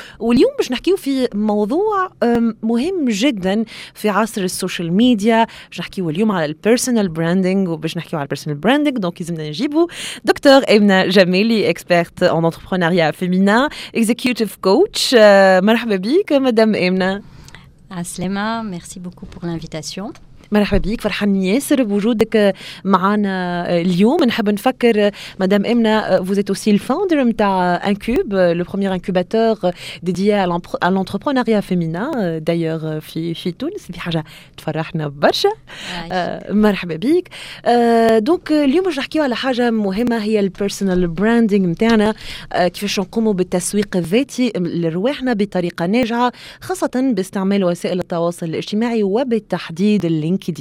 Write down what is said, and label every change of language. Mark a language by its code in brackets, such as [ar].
[ar] واليوم باش نحكيو في موضوع مهم جدا في عصر السوشيال ميديا. باش نحكيو اليوم على البيرسونال براندينغ، وباش نحكيو على البيرسونال براندينغ دونك لازمنا نجيبو دكتور إيمنا جميلي، إكسبيرت أون أنتربرونيريا فيمينا، إكزيكيوتيف كوتش. مرحبا بك مدام إيمنا. عسلامة، [fr] merci beaucoup pour l'invitation. [ar] مرحبا بيك، فرحان ياسر بوجودك معنا اليوم. نحب نفكر مدام إيمنا، [fr] vous êtes aussi le founder متاع Incub، le premier incubateur dédié à l'entrepreneuriat féminin d'ailleurs [ar] في تونس. دي حاجة تفرحنا برشا. مرحبا بيك. دونك اليوم باش نحكيو على حاجة مهمة هي البيرسونال براندينغ متاعنا، كيفاش نقومو بالتسويق الذاتي لرواحنا بطريقة ناجحة، خاصة باستعمال وسائل التواصل الاجتماعي وبالتحديد لينكدين.